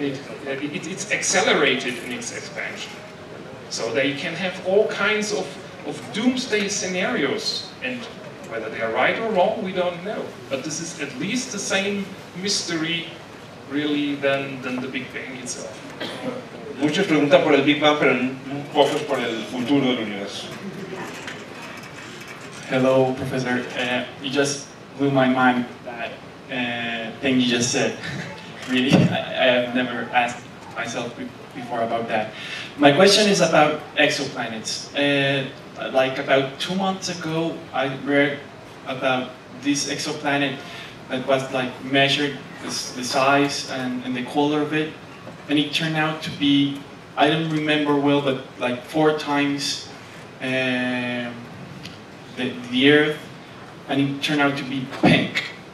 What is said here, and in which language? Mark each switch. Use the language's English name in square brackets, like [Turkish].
[English] And it's accelerated in its expansion. So they can have all kinds of doomsday scenarios, and whether they are right or wrong, we don't know. But this is at least the same mystery, really, than the Big Bang itself. [Spanish] Muchos preguntan por el Big Bang, pero pocos por el futuro del universo. [English] Hello, Professor. You just blew my mind that thing you just said. Really, I have never asked myself before about that. My question is about exoplanets. Like about 2 months ago, I read about this exoplanet that was like measured the size and the color of it, and it turned out to be, I don't remember well, but like 4 times the Earth, and it turned out to be pink.